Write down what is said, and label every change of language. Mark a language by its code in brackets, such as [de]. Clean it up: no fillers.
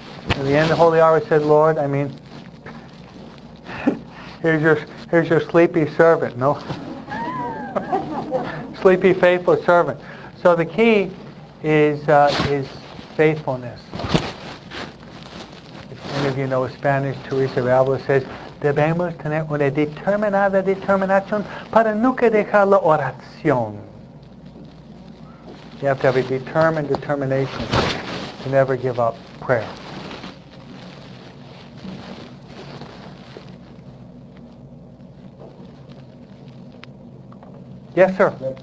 [en] At the end of the holy hour, I said, Lord, I mean, here's your sleepy servant, no? Sleepy, faithful servant. So the key is faithfulness. If any of you know Spanish, Teresa Avila says, [es] debemos tener una determinada determinación para nunca dejar la oración. [en] You have to have a determined determination to never give up prayer. Yes, sir.